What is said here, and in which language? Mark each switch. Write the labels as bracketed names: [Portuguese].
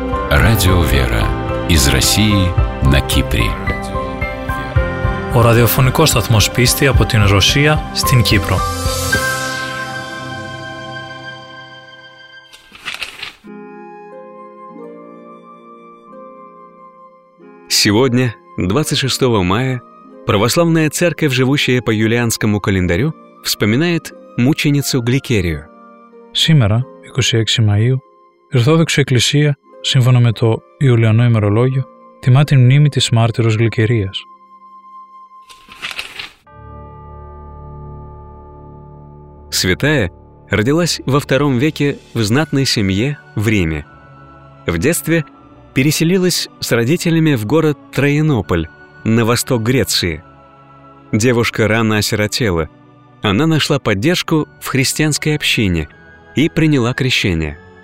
[Russian] Радио Вера из России на Кипре. [Greek] Ο ραδιοφωνικός σταθμός πίστη από την Ρωσία στην Κύπρο. [Russian] Сегодня, 26 мая, православная церковь, живущая по юлианскому календарю, вспоминает мученицу Гликерию. [Greek] Σήμερα, 26 Μαΐου, η Ορθόδοξη Εκκλησία, σύμφωνα με το Ιουλιανό ημερολόγιο, τιμά την μνήμη της μάρτυρος Γλυκερίας. [Russian] Святая родилась во втором веке в знатной семье в Риме. В детстве переселилась с родителями в город Троянополь, на восток Греции. Девушка рано осиротела. Она нашла поддержку в христианской общине и приняла крещение.